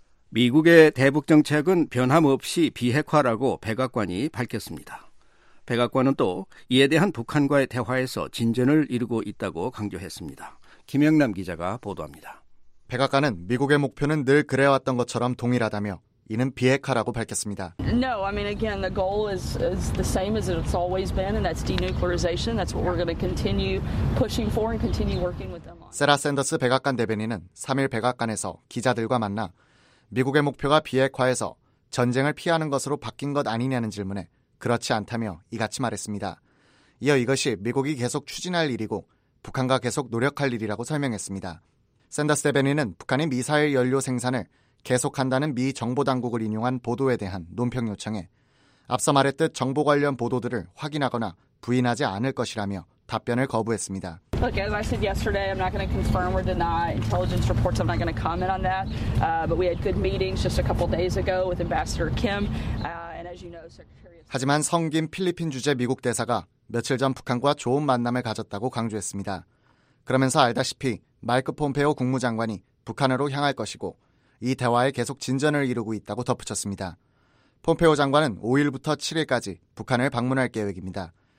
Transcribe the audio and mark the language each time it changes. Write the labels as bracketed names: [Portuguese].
[Korean] 미국의 대북 정책은 변함없이 비핵화라고 백악관이 밝혔습니다. 백악관은 또 이에 대한 북한과의 대화에서 진전을 이루고 있다고 강조했습니다. 김영남 기자가 보도합니다. 백악관은 미국의 목표는 늘 그래왔던 것처럼 동일하다며 이는 비핵화라고 밝혔습니다. [English] No, I mean again the goal is the same as it's always been and that's denuclearization. That's what we're going to continue pushing for and continue working with them on. [Korean] 세라 샌더스 백악관 대변인은 3일 백악관에서 기자들과 만나 미국의 목표가 비핵화에서 전쟁을 피하는 것으로 바뀐 것 아니냐는 질문에 그렇지 않다며 이같이 말했습니다. 이어 이것이 미국이 계속 추진할 일이고 북한과 계속 노력할 일이라고 설명했습니다. 샌더스 대변인은 북한이 미사일 연료 생산을 계속한다는 미 정보당국을 인용한 보도에 대한 논평 요청에 앞서 말했듯 정보 관련 보도들을 확인하거나 부인하지 않을 것이라며 답변을 거부했습니다. [English] Look, as I said yesterday, I'm not going to confirm or deny intelligence reports. I'm not going to comment on that. But we had good meetings just a couple days ago with Ambassador Kim. And as you know, Secretary. [Korean] 하지만 성 김 필리핀 주재 미국 대사가 며칠 전 북한과 좋은 만남을 가졌다고 강조했습니다. 그러면서 알다시피 마이크 폼페오 국무장관이 북한으로 향할 것이고 이 대화에 계속 진전을 이루고 있다고 덧붙였습니다. 폼페오 장관은 5일부터 7일까지 북한을 방문할 계획입니다.